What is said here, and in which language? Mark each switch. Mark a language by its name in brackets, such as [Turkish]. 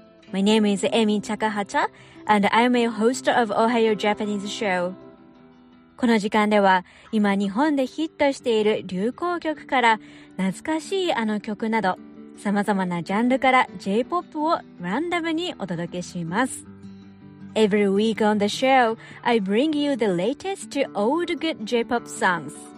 [English] My name is Emi Takahata, and I'm a host of Ohayou Japanese Show. [Japanese] この時間では、今日本でヒットしている流行曲から、懐かしいあの曲など、様々なジャンルから J-POP をランダムにお届けします。 [English] Every week on the show, I bring you the latest to old good J-POP songs.